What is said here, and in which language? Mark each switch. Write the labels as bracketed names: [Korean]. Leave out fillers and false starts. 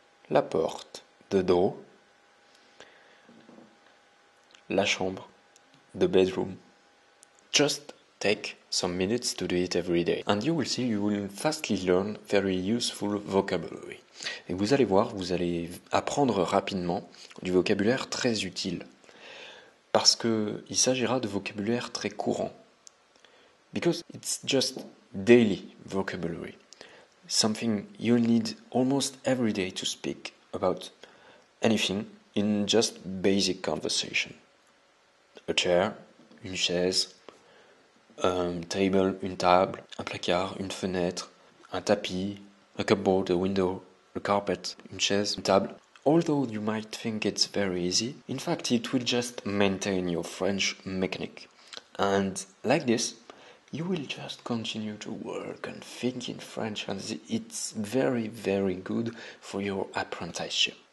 [French] la porte, [English] the door, [French] la chambre, [English] the bedroom. Just take some minutes to do it every day. And you will see, you will fastly learn very useful vocabulary. [French] Et vous allez voir, vous allez apprendre rapidement du vocabulaire très utile. Parce qu'il s'agira de vocabulaire très courant. [English] Because it's just daily vocabulary. Something you need almost every day to speak about anything in just basic conversation. A chair, [French] une chaise, table, une table, un placard, une fenêtre, un tapis, [English] a cupboard, a window, a carpet, [French] une chaise, une table. [English] Although you might think it's very easy, in fact it will just maintain your French mechanic. And like this, you will just continue to work and think in French, and it's very, very good for your apprenticeship.